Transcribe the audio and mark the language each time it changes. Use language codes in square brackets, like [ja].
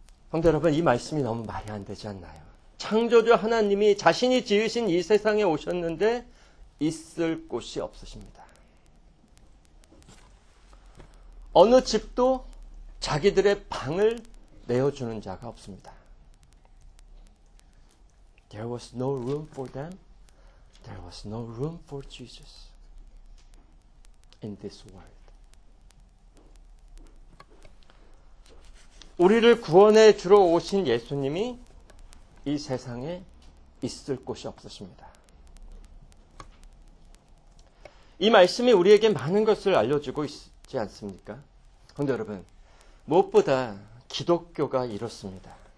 [ko] 성도 여러분, 이 말씀이 너무 말이 안 되지 않나요? 창조주 하나님이 자신이 지으신 이 세상에 오셨는데 있을 곳이 없으십니다. 어느 집도 자기들의 방을 내어주는 자가 없습니다. [en] There was no room for them. There was no room for Jesus in this world. [ko] 우리를 구원해 주러 오신 예수님이 이 세상에 있을 곳이 없으십니다. 이 말씀이 우리에게 많은 것을 알려주고 있지 않습니까? 그런데 여러분, 무엇보다 기독교가 이렇습니다.